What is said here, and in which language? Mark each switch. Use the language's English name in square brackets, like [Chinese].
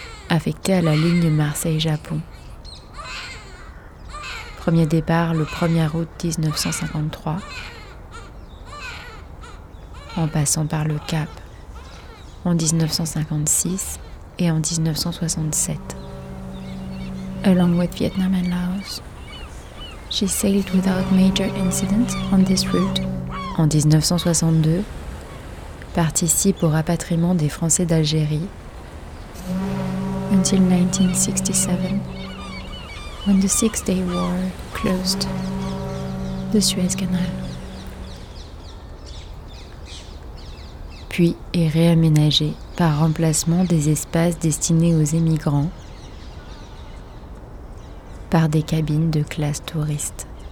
[French] Affecté à la ligne Marseille-Japon. Premier départ le 1er août 1953. En passant par le Cap, en 1956 et en 1967. [English] Along with Vietnam and Laos, she sailed without major incident on this route. [French] En 1962, participe au rapatriement des Français d'Algérie. [English] Until 1967, when the Six-Day War closed the Suez Canal. [French] Puis est réaménagé par remplacement des espaces destinés aux émigrants par des cabines de classe touriste.